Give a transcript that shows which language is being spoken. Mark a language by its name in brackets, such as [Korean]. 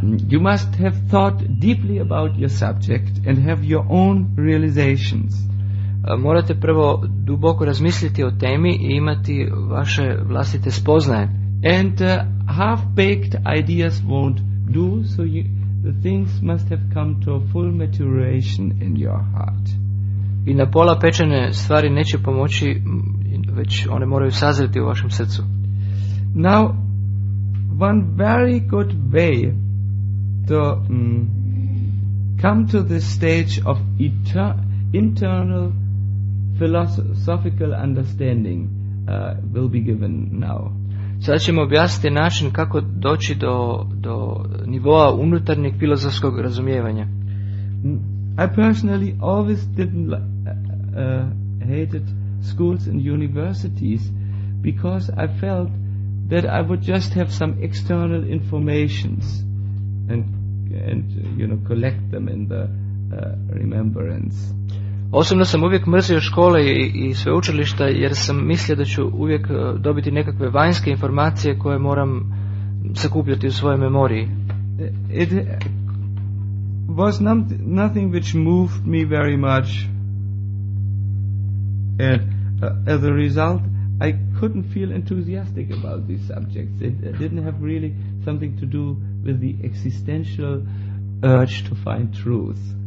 [English] You must have thought deeply about your subject and have your own realizations. [Croatian] Morate prvo duboko razmisliti o temi i imati vaše vlastite spoznaje. [English] And half-baked ideas won't do, so you... The things must have come to a full maturation in your heart. [Croatian] I na pola pečene stvari neće pomoći, već one moraju sazreti u vašem srcu. [English] Now, one very good way to come to the stage of internal philosophical understanding will be given now. [Croatian] Sada ćemo objasniti način kako doći do nivoa unutarnjeg filozofskog razumijevanja. [English] I personally always didn't hated schools and universities because I felt that I would just have some external informations and you know collect them in the remembrance. [Croatian] Osobno sam uvijek mrzio škole i sveučilišta jer sam mislio da ću uvijek dobiti nekakve vanjske informacije koje moram sakupljati u svojoj memoriji. [English] It was nothing which moved me very much. And as a result, I couldn't feel enthusiastic about these subjects. It didn't have really something to do with the existential urge to find truth.